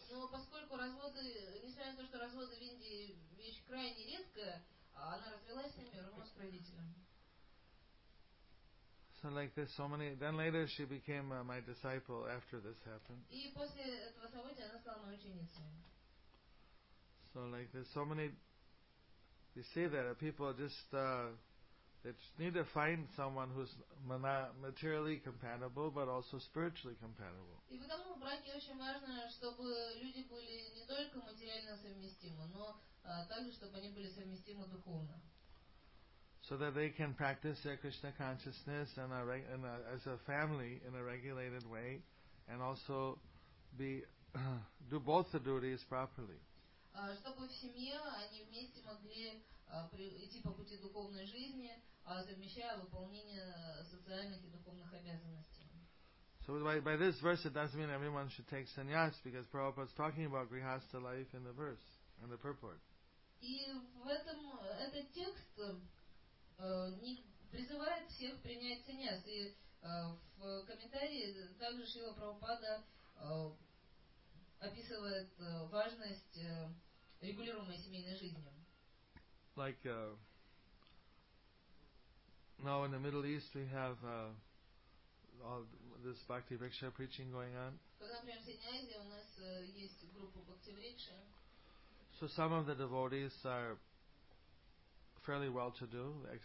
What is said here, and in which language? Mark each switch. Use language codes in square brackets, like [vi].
[ru] Но поскольку разводы, несмотря на то, что разводы в Индии вещь крайне редкая, она развелась с ними, вернулась к родителям. [en] So like this, so many. Then later she became my disciple after this happened. [ru] И после этого события она стала моей ученицей. [en] So like this, so many. You see that people just they just need to find someone who's not materially compatible, but also spiritually compatible. [ru] И потому в браке очень важно, чтобы люди были не только материально совместимы, но также чтобы они были совместимы духовно. [en] So that they can practice their Krishna consciousness in a as a family in a regulated way, and also be do both the duties properly. [ru] Чтобы в семье они вместе могли идти по пути духовной жизни, совмещая выполнение социальных и духовных обязанностей. [en] So by this verse, it doesn't mean everyone should take sannyas, because Prabhupada is talking about grihastha life in the verse, in the purport. [ru] И в этом этот текст не призывает всех принять сеньяс. И в комментарии также Шрила Прабхупада описывает важность регулируемой семейной жизни. [en] Like now in the Middle East we have all this Bhakti Riksha preaching going on. [ru] Например, в Средней Азии у нас есть группа Bhakti Riksha. [en] So some of the devotees are fairly well to do.